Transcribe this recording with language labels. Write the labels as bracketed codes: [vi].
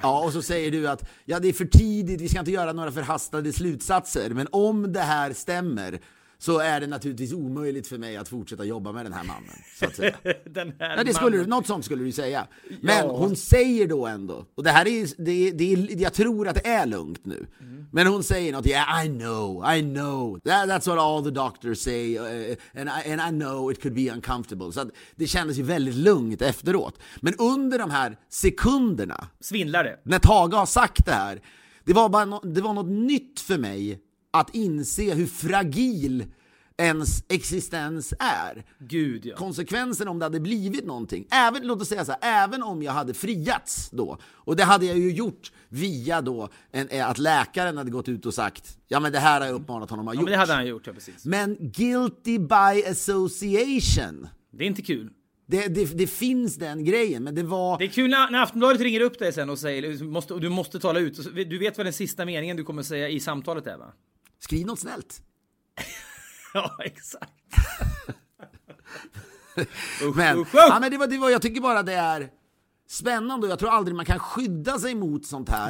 [sv] Ja, och så säger du att ja, det är för tidigt, vi ska inte göra några förhastade slutsatser, men om det här stämmer så är det naturligtvis omöjligt för mig att fortsätta jobba med den här mannen, så att säga. Den här ja, det skulle mannen. Du, något sånt skulle du säga. Men ja, hon säger då ändå, och det här är, det är jag tror att det är lugnt nu. Mm. Men hon säger något, [en] yeah, I know. That's what all the doctors say. And I know it could be uncomfortable. [sv] Så att det kändes ju väldigt lugnt efteråt. Men under de här sekunderna. Svindlade. När Tage har sagt det här. Det var något nytt för mig. Att inse hur fragil ens existens är. Gud, ja. Konsekvensen om det hade blivit någonting. Även, låt oss säga så här, även om jag hade friats då. Och det hade jag ju gjort via då att läkaren hade gått ut och sagt, ja men det här har jag uppmanat honom att ha gjort. Ja, men det hade han gjort, ja, precis. [en] Men guilty by association. [sv] Det är inte kul. Det finns den grejen, men det var... Det är kul när Aftonbladet ringer upp dig sen och säger du måste tala ut. Du vet vad den sista meningen du kommer säga i samtalet är, va? Skriv något snällt. Ja, exakt. men det var, jag tycker bara det är spännande. Jag tror aldrig man kan skydda sig mot sånt här.